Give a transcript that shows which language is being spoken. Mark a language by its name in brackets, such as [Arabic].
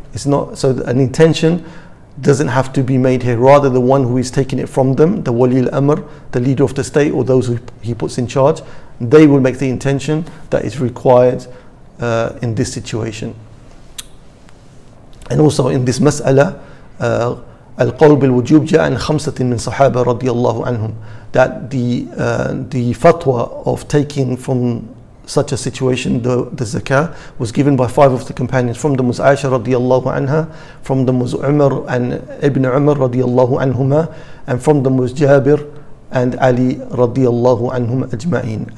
[English] It's not, so an intention doesn't have to be made here. Rather, the one who is taking it from them, the wali al-amr, the leader of the state, or those who he puts in charge, they will make the intention that is required in this situation. And also in this mas'ala, [Arabic] القول بالوجوب جاء عن خمسة من صحابة رضي الله عنهم. [English] That the fatwa of taking from such a situation the zakah was given by five of the companions. From them was Aisha [Arabic] رضي الله عنها, [English] from them was Umar and Ibn Umar [Arabic] رضي الله عنهما, [English] and from them was Jabir and Ali [Arabic] رضي الله عنهم أجمعين.